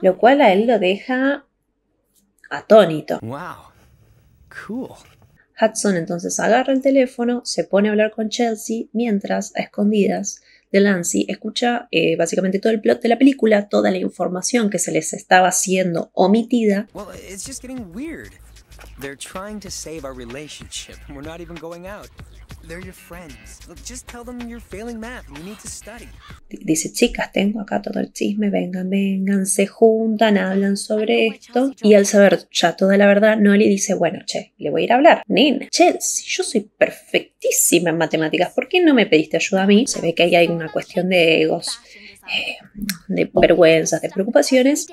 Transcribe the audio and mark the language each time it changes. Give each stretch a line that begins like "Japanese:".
Spanish: Lo cual a él lo deja atónito.
English: Wow. Cool.
Spanish: Hudson entonces agarra el teléfono, se pone a hablar con Chelsea, mientras a escondidas Delancey escucha básicamente todo el plot de la película, toda la información que se les estaba siendo omitida.
English: Well, it's just getting weird. They're trying to save our relationship. We're not even going out. They're your friends. Look, just tell them you're failing math and you need to study.
Spanish: Dice, chicas, tengo acá todo el chisme, vengan, vengan, se juntan, hablan sobre esto. Y al saber ya toda la verdad, Noli dice, bueno, che, le voy a ir a hablar. Nin, che, si yo soy perfectísima en matemáticas, ¿por qué no me pediste ayuda a mí? Se ve que ahí hay una cuestión de egos, de vergüenzas, de preocupaciones.